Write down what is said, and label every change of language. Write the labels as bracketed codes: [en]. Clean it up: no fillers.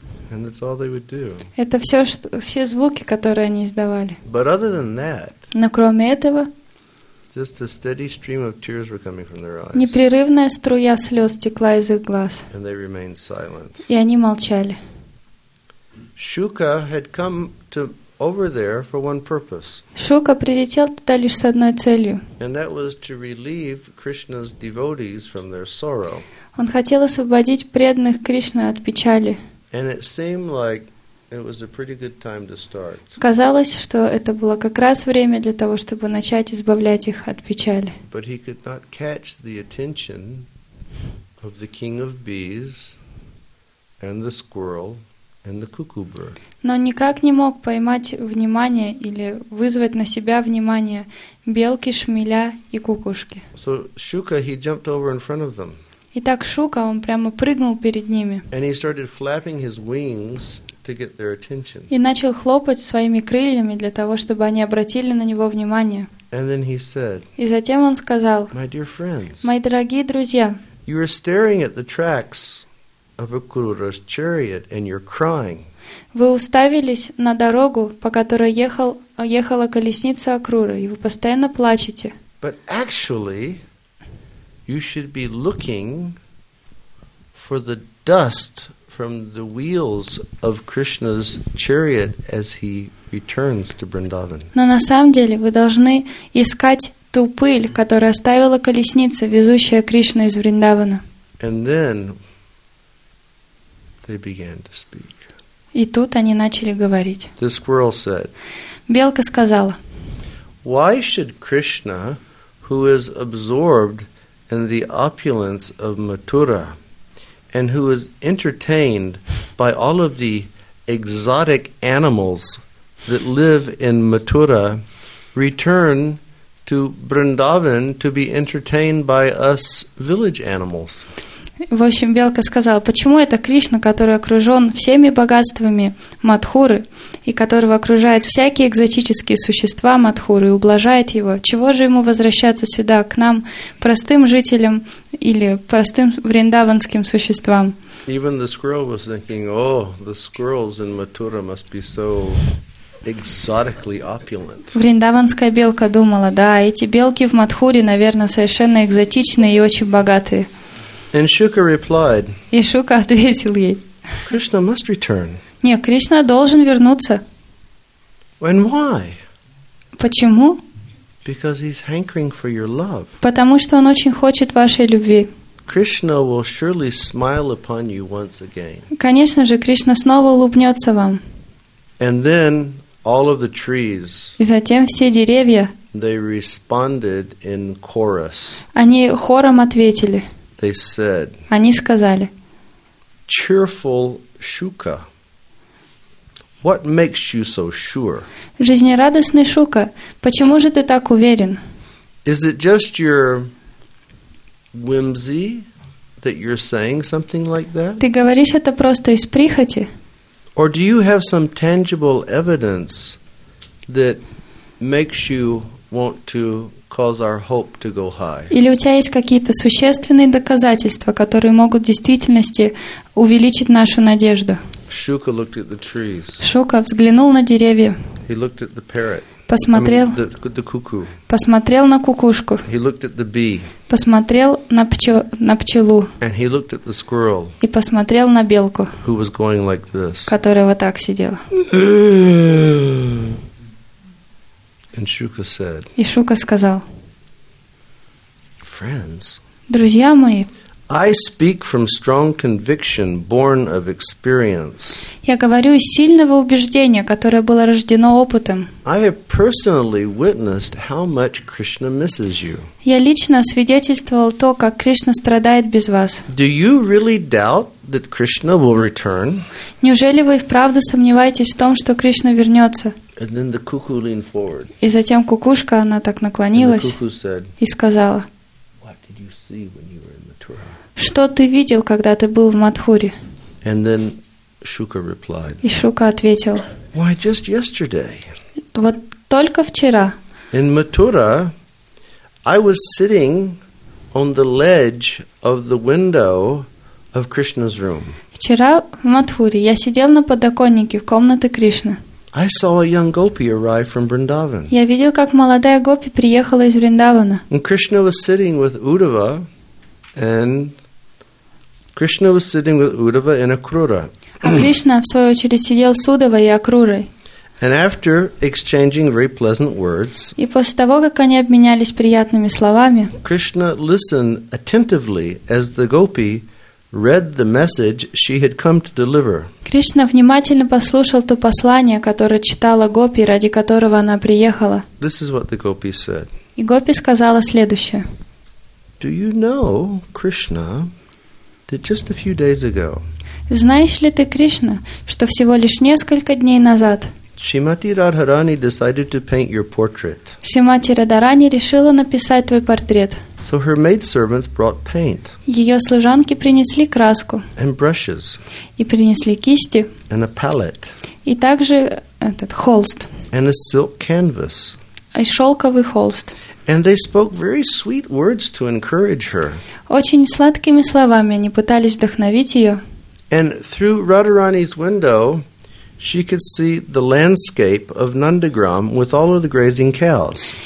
[en] And that's all they would do. [ru] Это все, что, все звуки, которые они издавали. [en] But other than that. [ru] Но кроме этого. [en] Just a steady stream of tears were coming from their eyes. [ru] Непрерывная струя слез текла из их глаз. [en] And they remained silent. [ru] И они молчали. [en] Shuka had come to over there for one purpose. [ru] Шука прилетел туда лишь с одной целью. [en] And that was to relieve Krishna's devotees from their sorrow. [ru] Он хотел освободить преданных Кришны от печали. [en] And it seemed like it was a pretty good time to start. [ru] Казалось, что это было как раз время для того, чтобы начать избавлять их от печали. [en] But he could not catch the attention of the king of bees and the squirrel and the cuckoo bird. [ru] Но никак не мог поймать внимание или вызвать на себя внимание белки, шмеля и кукушки. [en] So Shuka, he jumped over in front of them. [ru] Итак, Шука, он прямо прыгнул перед ними. [en] And he started flapping his wings to get their attention. [ru] И начал хлопать своими крыльями для того, чтобы они обратили на него внимание. [en] And then he said, [ru] и затем он сказал, [en] my dear friends, [ru] мои дорогие друзья, [en] you are staring at the tracks of Akrura's chariot and you're crying. [ru] Вы уставились на дорогу, по которой ехала колесница Акруры, и вы постоянно плачете. [en] But actually, you should be looking for the dust from the wheels of Krishna's chariot as he returns to Vrindavan. [ru] Но на самом деле вы должны искать ту пыль, которую оставила колесница, везущая Кришну из Вриндавана. [en] And then they began to speak. [ru] И тут они начали говорить. [en] The squirrel said. [ru] Белка сказала. [en] Why should Krishna, who is absorbed in the opulence of Mathura, and who is entertained by all of the exotic animals that live in Mathura, return to Vrindavan to be entertained by us village animals? [ru] В общем, Белка сказала, почему это Кришна, который окружен всеми богатствами Матхуры и которого окружают всякие экзотические существа Матхуры и ублажает его, чего же ему возвращаться сюда, к нам, простым жителям или простым вриндаванским существам? [en] Even the squirrel was thinking, oh, the squirrels in Mathura must be so exotically opulent. [ru] Вриндаванская белка думала, да, эти белки в Матхуре, наверное, совершенно экзотичные и очень богатые. [en] And Shuka replied. [ru] И Шука ответил ей. [en] Krishna must return. [ru] Не, Кришна должен вернуться. [en] And why? [ru] Почему? [en] Because he's hankering for your love. [ru] Потому что он очень хочет вашей любви. [en] Krishna will surely smile upon you once again. [ru] Конечно же, Кришна снова улыбнется вам. [en] And then all of the trees. [ru] И затем все деревья. [en] They responded in chorus. [ru] Они хором ответили. [en] They said. [ru] Они сказали. [en] Cheerful Shuka. What makes you so sure? [ru] Жизнерадостный Шука, почему же ты так уверен? [en] Is it just your whimsy that you're saying something like that? [ru] Ты говоришь это просто из прихоти? [en] Or do you have some tangible evidence that makes you want to cause our hope to go high? [ru] Или у тебя есть какие-то существенные доказательства, которые могут в действительности увеличить нашу надежду? [en] Shuka looked at the trees. [ru] Шука взглянул на деревья. [en] He looked at the parrot. [ru] Посмотрел. [en] The cuckoo. [ru] Посмотрел на кукушку. [en] He looked at the bee. [ru] Посмотрел на пчелу. [en] And he looked at the squirrel. [ru] И посмотрел на белку. [en] Who was going like this? [ru] Которая вот так сидела. [en] And Shuka said. [ru] И Шука сказал. [en] Friends. [ru] Друзья мои. [en] I speak from strong conviction, born of experience. [ru] Я говорю из сильного убеждения, которое было рождено опытом. [en] I have personally witnessed how much Krishna misses you. [ru] Я лично свидетельствовал то, как Кришна страдает без вас. [en] Do you really doubt that Krishna will return? [ru] Неужели вы вправду сомневаетесь в том, что Кришна вернется? [en] And then the cuckoo leaned forward. [ru] И затем кукушка, она так наклонилась. [en] And the cuckoo said, [ru] и сказала, [en] What did you see when you were in Mathura? [ru] Что ты видел, когда ты был в Матхуре? [en] And then Shuka replied, [ru] и Шука ответил, [en] Why, just yesterday. [ru] Вот только вчера. [en] In Mathura, I was sitting on the ledge of the window of Krishna's room. [ru] Вчера в Матхуре я сидел на подоконнике в комнате Кришны. [en] I saw a young gopi arrive from Vrindavan. [ru] Я видел, как молодая гопи приехала из Вриндавана. [en] And Krishna was sitting with Uddhava, and Krishna was sitting with Uddhava and Akrura. [ru] А Кришна в свою очередь сидел с Уддхавой и Акрурой. [en] And after exchanging very pleasant words, [ru] и после того, как они обменялись приятными словами, [en] Krishna listened attentively as the gopi read the message she had come to deliver. [ru] Кришна внимательно послушал то послание, которое читала гопи, ради которого она приехала. [en] This is what the gopi said. [ru] И гопи сказала следующее. [en] Do you know, Krishna, that just a few days ago? [ru] Знаешь ли ты, Кришна, что всего лишь несколько дней назад? [en] Shrimati Radharani decided to paint your portrait. [ru] Shrimati Radharani решила написать твой портрет. [en] So her maidservants brought paint. [ru] Ее служанки принесли краску. [en] And brushes. [ru] И принесли кисти. [en] And a palette. [ru] И также этот холст. [en] And a silk canvas. [ru] И шелковый холст. [en] And they spoke very sweet words to encourage her. [ru] Очень сладкими словами они пытались вдохновить ее. [en] And through Radharani's window, she could see the landscape of Nandagram with all of the grazing cows.